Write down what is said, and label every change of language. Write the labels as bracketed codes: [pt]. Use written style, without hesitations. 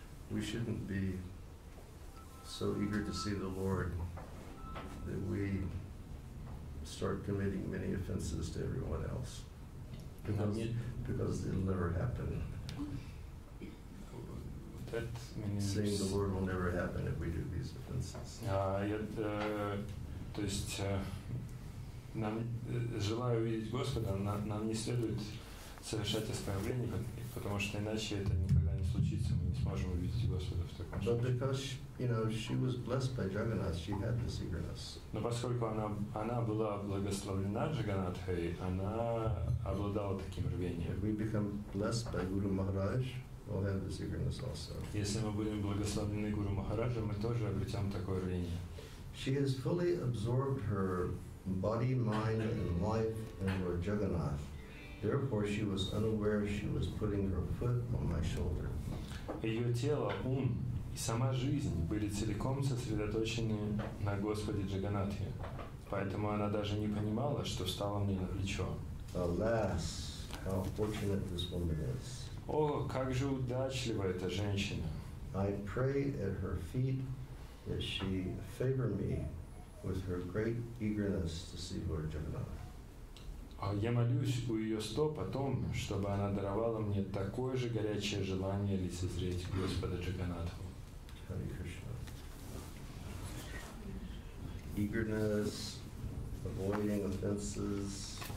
[en] We shouldn't be so eager to see the Lord that we start committing many offenses to everyone else. Because it'll never happen. That means saying the Lord will never happen if we do these offenses. [ru] Нам желаю увидеть Господа, нам не следует совершать оскорбления, потому что иначе это никогда не случится, мы не сможем увидеть Господа в таком случае. [en] But because you know she was blessed by Jagannath, she had this eagerness. [ru] Но поскольку она была благословлена Джаганнатхой, она обладала таким рвением. [en] We become blessed by Guru Maharaj. We'll have this eagerness also. [ru] Если мы будем благословлены Гуру Махараджем, мы тоже обретем такое рвение. [en] She has fully absorbed her body, mind, and life in Lord Jagannath. Therefore, she was unaware she was putting her foot on my shoulder. [ru] Ее тело, ум и сама жизнь были целиком сосредоточены на Господе Джаганнатхе, поэтому она даже не понимала, что встала мне на плечо. [en] Alas, how fortunate this woman is. [ru] О, как же удачлива эта женщина. [en] I pray at her feet that she favor me with her great eagerness to see Lord Jagannath. [ru] Я молюсь у ее стоп о том, чтобы она даровала мне такое же горячее желание лицезреть Господа Джаганнатху. [en] Hare Krishna. Eagerness, avoiding offenses.